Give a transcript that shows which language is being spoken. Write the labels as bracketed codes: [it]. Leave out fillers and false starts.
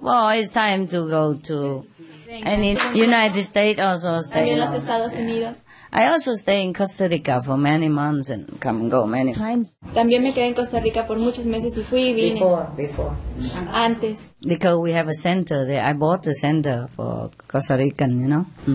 [en] Oh, it's time to go to United States also. Stay [es] también los Estados Unidos. [en] I also stay in Costa Rica for many months and come and go many times. [es] También me quedé en Costa Rica por muchos meses y fui y vine. [en] Before. [es] Antes. [en] Because we have a center there. I bought a center for Costa Rican, you know.